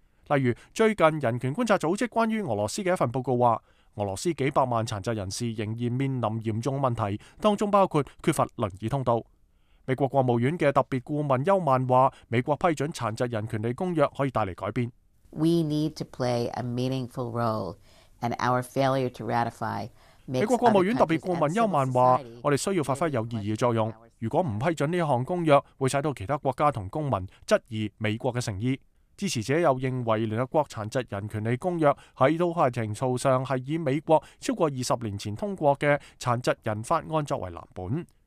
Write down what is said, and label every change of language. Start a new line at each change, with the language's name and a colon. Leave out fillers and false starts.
Chinese: 例如，最近人权观察组织关于俄罗斯嘅一份报告话，俄罗斯几百万残疾人士仍然面临严重问题，当中包括缺乏轮椅通道。美国国务院的特别顾问邱曼说，美国批准残疾人权利公约可以带来改变。
English: We need to play a meaningful role, and our failure to ratify.
Chinese: 美国国务院特别顾问邱曼说，我们需要发挥有意义的作用。如果不批准这项公约，会使到其他国家和公民质疑美国的诚意。支持者又认为联合国残疾人权利公约在都会程序上是以美国超过20年前通过的残疾人法案作为蓝本。